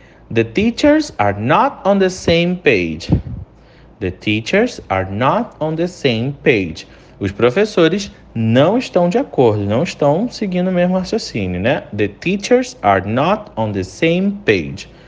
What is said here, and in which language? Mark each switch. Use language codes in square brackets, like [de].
[en] The teachers are not on the same page. The teachers are not on the same page. [pt] Os professores não estão de acordo, não estão seguindo o mesmo raciocínio, né? [en] The teachers are not on the same page.